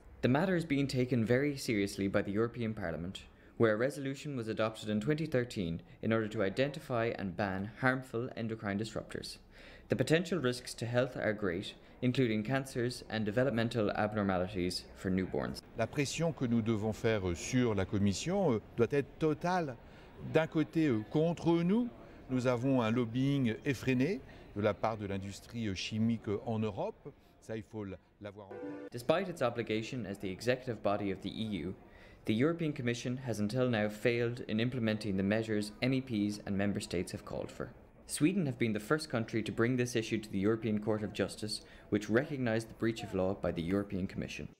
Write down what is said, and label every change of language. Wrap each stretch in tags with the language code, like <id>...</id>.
<en>The matter is being taken very seriously by the European Parliament, where a resolution was adopted in 2013 in order to identify and ban harmful endocrine disruptors. The potential risks to health are great, including cancers and developmental abnormalities for newborns.</en> <fr>La pression que nous devons faire sur la Commission doit être totale. D'un côté, contre nous, nous avons un lobbying effréné de la part de l'industrie chimique en Europe. Ça, il faut l'avoir en tête.</fr> <en>Despite its obligation as the executive body of the EU, the European Commission has until now failed in implementing the measures MEPs and member states have called for. Sweden have been the first country to bring this issue to the European Court of Justice, which recognised the breach of law by the European Commission.</en>